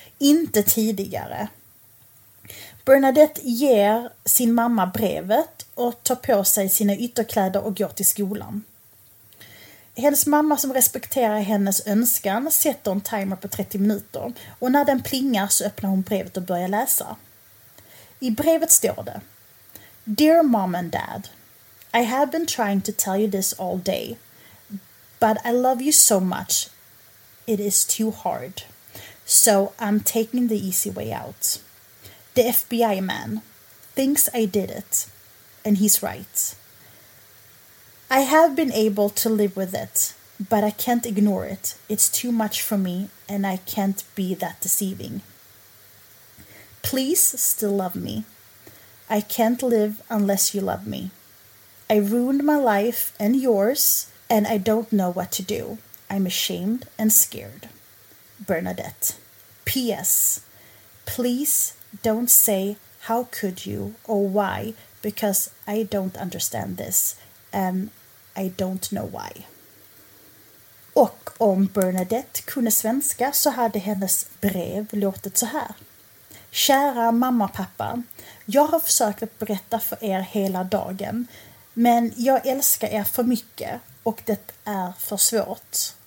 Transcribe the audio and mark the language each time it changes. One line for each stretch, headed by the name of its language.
Swedish: Inte tidigare. Bernadette ger sin mamma brevet och tar på sig sina ytterkläder och går till skolan. Hennes mamma, som respekterar hennes önskan, sätter en timer på 30 minuter. Och när den plingar så öppnar hon brevet och börjar läsa. I brevet står det:
English: Dear mom and dad, I have been trying to tell you this all day, but I love you so much, it is too hard. So I'm taking the easy way out. The FBI man thinks I did it, and he's right. I have been able to live with it, but I can't ignore it. It's too much for me, and I can't be that deceiving. Please still love me. I can't live unless you love me. I ruined my life and yours, and I don't know what to do. I'm ashamed and scared. Bernadette. P.S. Please don't say how could you or why, because I don't understand this and I don't know why.
Swedish: Och om Bernadette kunde svenska så hade hennes brev låtit så här. Kära mamma och pappa, jag har försökt att berätta för er hela dagen, men jag älskar er för mycket och det är för svårt.